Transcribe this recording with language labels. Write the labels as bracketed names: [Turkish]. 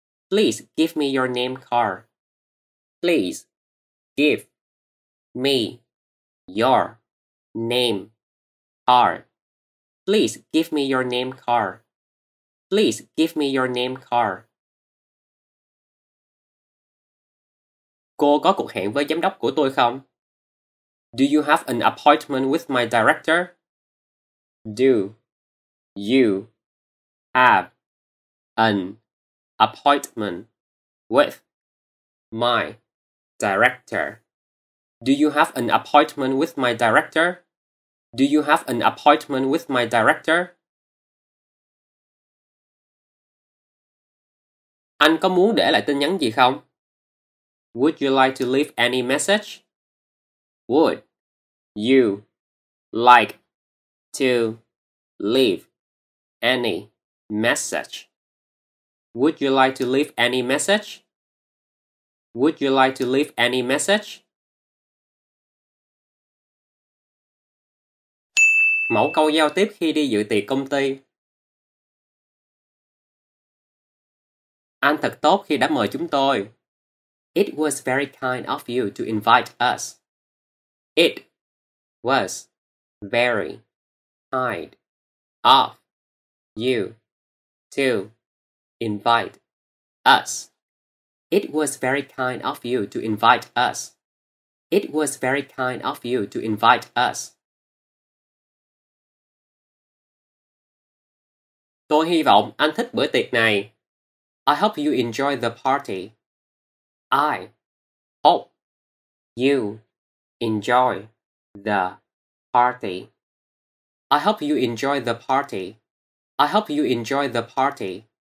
[English] Please give me your name card. Please give me your name card. Please give me your name card. Please give me your name card. [Vietnamese] Cô có cuộc hẹn với giám đốc của tôi không? [English] Do you have an appointment with my director? Do you have an appointment with my director? Do you have an appointment with my director? Do you have an appointment with my director? [Vietnamese] Anh có muốn để lại tin nhắn gì không? [English] Would you like to leave any message? Would you like to leave any message? Would you like to leave any message? Would you like to leave any message? [Vietnamese] Mẫu câu giao tiếp khi đi dự tiệc công ty. Anh thật tốt khi đã mời chúng tôi. [English] It was very kind of you to invite us. It was very kind of you to invite us. It was very kind of you to invite us. It was very kind of you to invite us. [Vietnamese] Tôi hy vọng anh thích bữa tiệc này. [English] I hope you enjoy the party. I hope you enjoy the party. I hope you enjoy the party. I hope you enjoy the party.